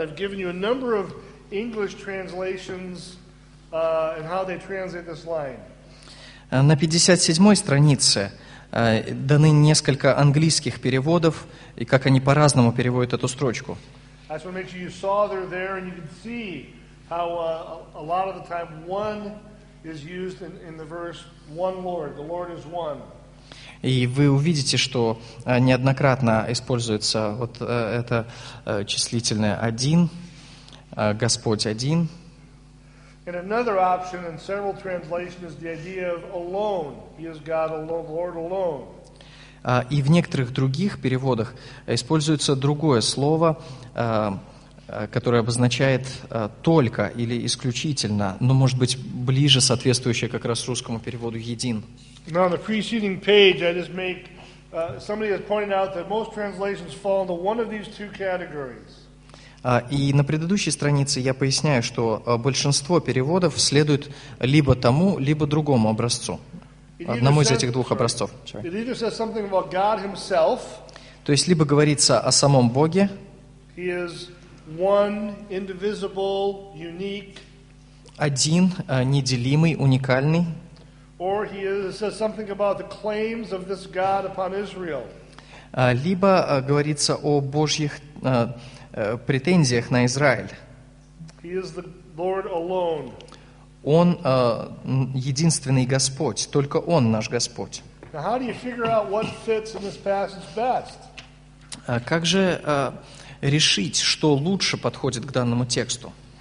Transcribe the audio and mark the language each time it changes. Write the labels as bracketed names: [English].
[English] I've given you a number of English translations and how they translate this line. [Russian] На 57-й странице даны несколько английских переводов и как они по-разному переводят эту строчку. [English] I just want to make sure you saw they're there and you can see how a lot of the time one is used in the verse one Lord. The Lord is one. [Russian] И вы увидите, что неоднократно используется вот это числительное один, Господь один. [English] And another option in several translations is the idea of alone. He is God alone, Lord alone. [Russian] И в некоторых других переводах используется другое слово, которое обозначает «только» или «исключительно», но, может быть, ближе соответствующее как раз русскому переводу «един». [English] Now, on the preceding page, I just make... somebody has pointed out that most translations fall into one of these two categories. [Russian] И на предыдущей странице я поясняю, что большинство переводов следует либо тому, либо другому образцу. Одному из этих двух образцов. [English] It either says something about God himself, [Russian] то есть либо говорится о самом Боге, [English] he is one, indivisible, unique, [Russian] один, неделимый, уникальный, [English] or he is, it says something about the claims of this God upon Israel. [Russian] Либо говорится о Божьих претензиях на Израиль. [English] He is the Lord alone. [Russian] Он единственный Господь, только Он наш Господь. Как же решить, что лучше подходит к данному тексту?